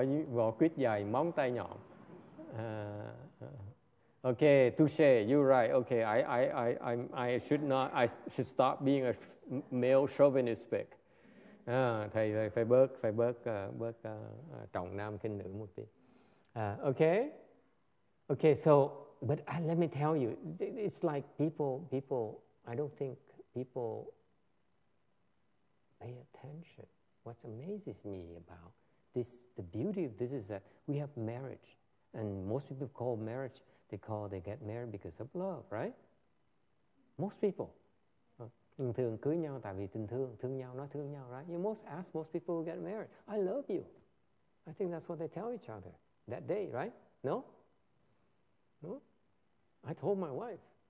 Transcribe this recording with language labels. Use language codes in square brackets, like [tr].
[vi] Vỏ quýt dài, móng tay nhọn. [en] Okay, touché, you're right. Okay, I should stop being a male chauvinist pig. [vi] Thầy phải bớt trọng nam khinh nữ một tí. [en] Okay, so but let me tell you, it's like people, I don't think people pay attention. What amazes me about this, the beauty of this is that we have marriage, and most people call marriage, they get married because of love, right? Most people. [vi] Thường cưới nhau tại vì tình thương, thương nhau, nói thương nhau, right? [en] You most ask most people who get married, I love you. I think that's what they tell each other that day, right? No? No? I told my wife.